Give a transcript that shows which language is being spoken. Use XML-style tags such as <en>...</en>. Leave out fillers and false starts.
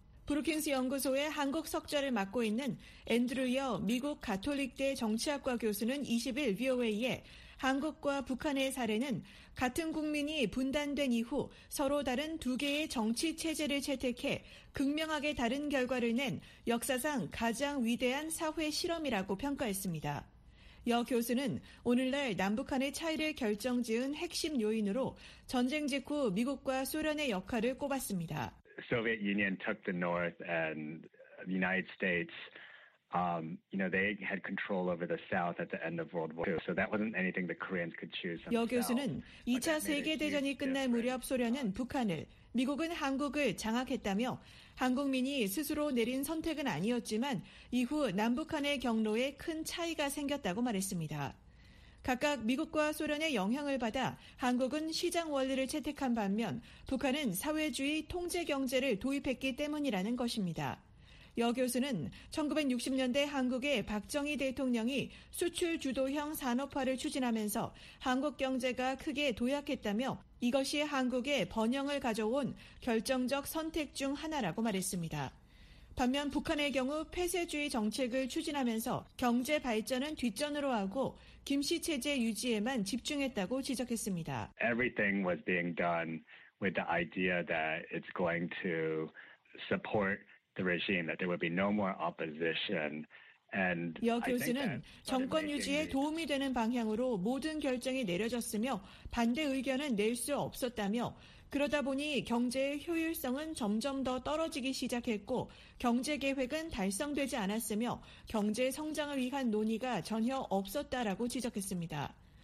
<ko>브루킹스 연구소의 한국 석좌를 맡고 있는 앤드류 여 미국 가톨릭대 정치학과 교수는 20일 VOA에 한국과 북한의 사례는 같은 국민이 분단된 이후 서로 다른 두 개의 정치 체제를 채택해 극명하게 다른 결과를 낸 역사상 가장 위대한 사회 실험이라고 평가했습니다. 여 교수는 오늘날 남북한의 차이를 결정지은 핵심 요인으로 전쟁 직후 미국과 소련의 역할을 꼽았습니다.</ko> <en>Soviet Union took the North and the United States. They had control over the South at the end of World War II. So that wasn't anything the Koreans could choose.</en> <ko>여 교수는 2차 세계 대전이 끝날 무렵 소련은 북한을, 미국은 한국을 장악했다며 한국민이 스스로 내린 선택은 아니었지만 이후 남북한의 경로에 큰 차이가 생겼다고 말했습니다. 각각 미국과 소련의 영향을 받아 한국은 시장 원리를 채택한 반면 북한은 사회주의 통제 경제를 도입했기 때문이라는 것입니다. 여 교수는 1960년대 한국의 박정희 대통령이 수출 주도형 산업화를 추진하면서 한국 경제가 크게 도약했다며 이것이 한국의 번영을 가져온 결정적 선택 중 하나라고 말했습니다. 반면 북한의 경우 폐쇄주의 정책을 추진하면서 경제 발전은 뒷전으로 하고 김씨 체제 유지에만 집중했다고 지적했습니다.</ko> <en>Everything was being done with the idea that it's going to support the regime, that there would be no more opposition.</en> <ko>여 교수는 정권 유지에 도움이 되는 방향으로 모든 결정이 내려졌으며 반대 의견은 낼 수 없었다며 그러다 보니 경제의 효율성은 점점 더 떨어지기 시작했고 경제 계획은 달성되지 않았으며 경제 성장을 위한 논의가 전혀 없었다라고 지적했습니다.</ko>